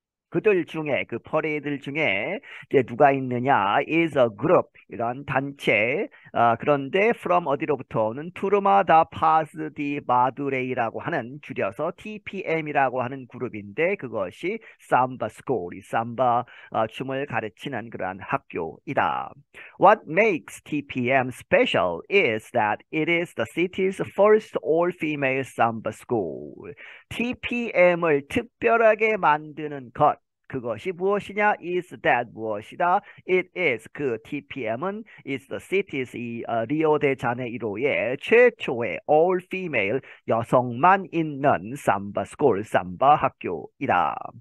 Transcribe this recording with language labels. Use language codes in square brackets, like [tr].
[ko] 그들 중에 그 퍼레이드들 중에 이제 누가 있느냐 [en] is a group [ko] 이런 단체 그런데 [en] from [ko] 어디로부터는 투르마 다 파스 디 마두레이라고 하는 줄여서 TPM이라고 하는 그룹인데 그것이 삼바 스쿨이 삼바 춤을 가르치는 그러한 학교이다. [en] What makes TPM special is that it is the city's first all-female samba school. [ko] TPM을 특별하게 만드는 것 그것이 무엇이냐? [en] Is that [ko] 무엇이다? [en] It is [ko] 그 TPM은 [en] is the city's [ko] 이 리오데자네이로의 최초의 [en] all female [ko] 여성만 있는 삼바 스쿨 삼바 학교이다.